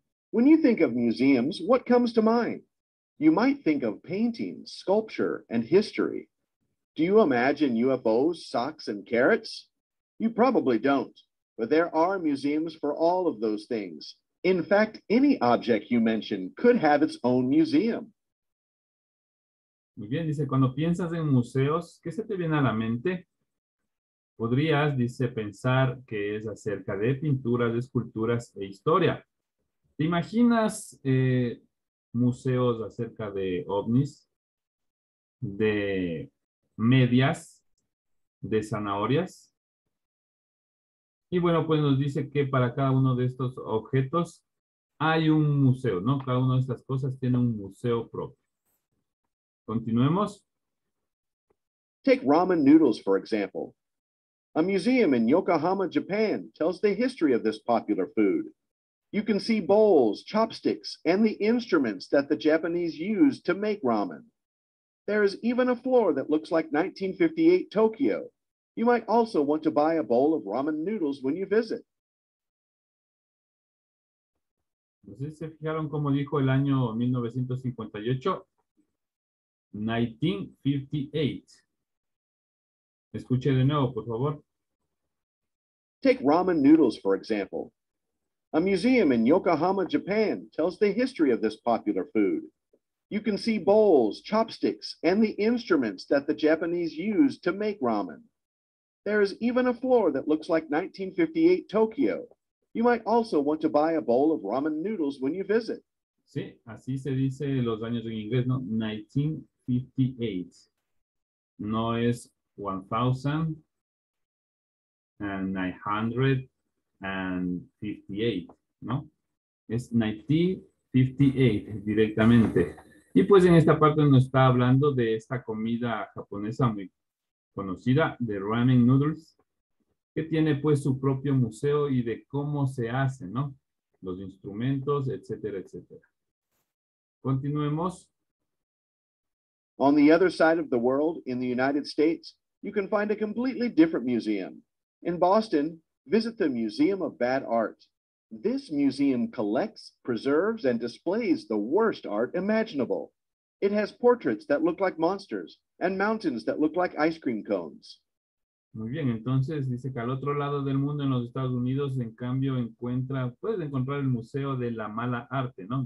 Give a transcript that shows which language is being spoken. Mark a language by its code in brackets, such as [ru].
[en] When you think of museums, what comes to mind? You might think of paintings, sculpture, and history. Do you imagine UFOs, socks, and carrots? You probably don't, but there are museums for all of those things. In fact, any object you mention could have its own museum. [es] Muy bien, dice, cuando piensas en museos, ¿qué se te viene a la mente? Podrías, dice, pensar que es acerca de pinturas, de esculturas e historia. ¿Te imaginas museos acerca de ovnis, de medias, de zanahorias? Y bueno, pues nos dice que para cada uno de estos objetos hay un museo, ¿no? Cada una de estas cosas tiene un museo propio. Continuemos. [en] Take ramen noodles, for example. A museum in Yokohama, Japan, tells the history of this popular food. You can see bowls, chopsticks, and the instruments that the Japanese used to make ramen. There is even a floor that looks like 1958 Tokyo. You might also want to buy a bowl of ramen noodles when you visit. [es] No sé si se fijaron como dijo el año 1958. 1958. Escuche de nuevo, por favor. [en] Take ramen noodles, for example. A museum in Yokohama, Japan, tells the history of this popular food. You can see bowls, chopsticks, and the instruments that the Japanese used to make ramen. There is even a floor that looks like 1958 Tokyo. You might also want to buy a bowl of ramen noodles when you visit. [es] Sí, así se dice los años en inglés, ¿no? 1958. No es 1900. And 58, ¿no? Es 1958 directamente. Y pues en esta parte nos está hablando de esta comida japonesa muy conocida, de ramen noodles, que tiene pues su propio museo y de cómo se hace, ¿no? Los instrumentos, etcétera, etcétera. Continuemos. [en] On the other side of the world, in the United States, you can find a completely different museum. In Boston, visit the Museum of Bad Art. This museum collects, preserves, and displays the worst art imaginable. It has portraits that look like monsters and mountains that look like ice cream cones. [es] Muy bien, entonces dice que al otro lado del mundo, en los Estados Unidos, en cambio, puedes encontrar el Museo de la Mala Arte, ¿no?